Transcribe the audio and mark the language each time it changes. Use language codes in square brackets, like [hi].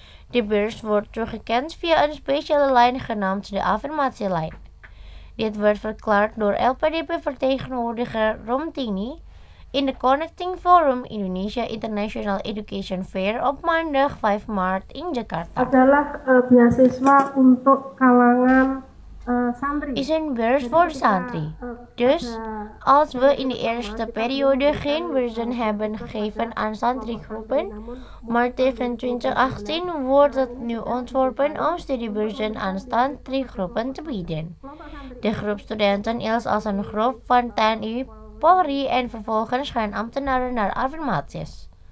[nl] De beurs wordt toegekend via een speciale lijn genaamd de affirmatielijn. Dit werd verklaard door LPDP-vertegenwoordiger Romtini in de Connecting Forum Indonesia International Education Fair op maandag 5 maart in Jakarta. [id] Adalah beasiswa untuk kalangan santri. [nl] Is een beurs voor santri. Dus, als we in de eerste periode geen beurzen hebben gegeven aan santrigroepen, maar tegen 2018 wordt het nu ontworpen om studiebeurzen aan santrigroepen te bieden. De groep studenten is als een groep van TNI, Polri en vervolgens gaan ambtenaren naar affirmaties.